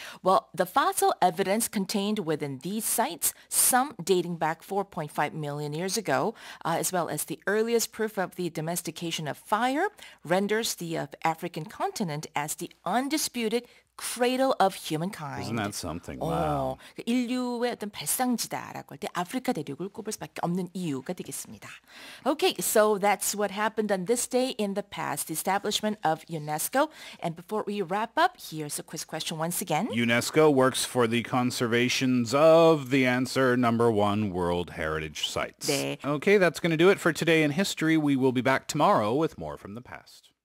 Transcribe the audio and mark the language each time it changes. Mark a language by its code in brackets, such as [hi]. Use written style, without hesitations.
[en] Well, the fossil evidence contained within these sites, some dating back 4.5 million years ago, as well as the earliest proof of the domestication of fire, renders the African continent as the undisputed cradle of humankind. Isn't that something? Wow. [ko] 인류의 어떤 발상지다라고 할 때 아프리카 대륙을 꼽을 수밖에 없는 이유가 되겠습니다. [en] Okay, so that's what happened on this day in the past, the establishment of UNESCO. And before we wrap up, here's a quiz question once again. UNESCO works for the conservations of, the answer, number one, World Heritage Sites. [ko] 네. [en] Okay, that's going to do it for today in history. We will be back tomorrow with more from the past.